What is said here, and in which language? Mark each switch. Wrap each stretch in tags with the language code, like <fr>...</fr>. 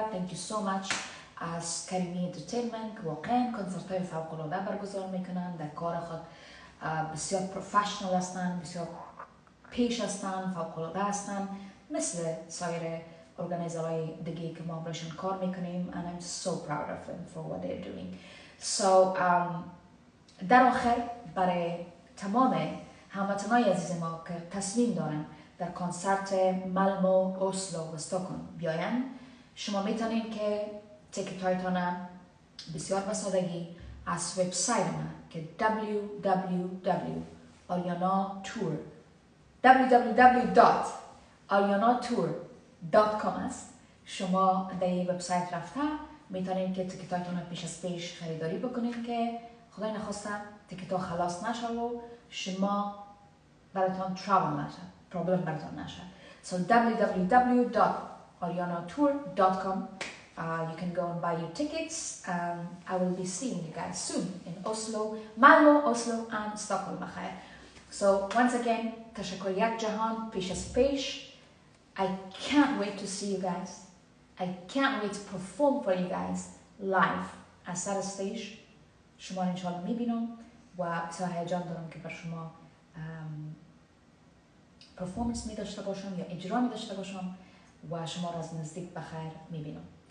<en>Thank you so much</en> <fa>از کریمی انترتینمنت که واقعا کنسرت های فوق العاده برگزار میکنن، در کار خود بسیار پروفشنال هستن، بسیار پیش هستن، فوق العاده هستن مثل سایر ارگانیزر های دیگه که ما برایشون کار میکنیم.</fa> <en>And I'm so proud of them for what they're doing.</en> <fa>So در آخر برای تمام هموطنهای عزیز ما که تصمیم دارن در کنسرت مالمو، اوسلو و استکهلم بیاین، شما میتونین که تیکت هایتان بسیار به سادگی از وبسایت ما که www.aryanatour.com است، شما در این وبسایت رفته میتونین که تیکت هایتان پیش از پیش خریداری بکنین که خدای نخواستم تیکت ها خلاص نشه و شما براتون ترابل نشه، پرابلم براتون نشه.</fa> <en>So www.aryanatour.com you can go and buy your tickets. I will be seeing you guys soon in Oslo, Malmo, Oslo and Stockholm. So once again,</en> <fa>تشکر یک جهان پیش از پیش.</fa> <en>I can't wait to see you guys. I can't wait to perform for you guys live as at a stage.</en> <fa>شما انشاءالله میبینم و سا هیجان دارم که بر شما پرفورمنس می داشته باشم یا اجرا می داشته باشم و شما را از نزدیک بخیر می بینم.</fa>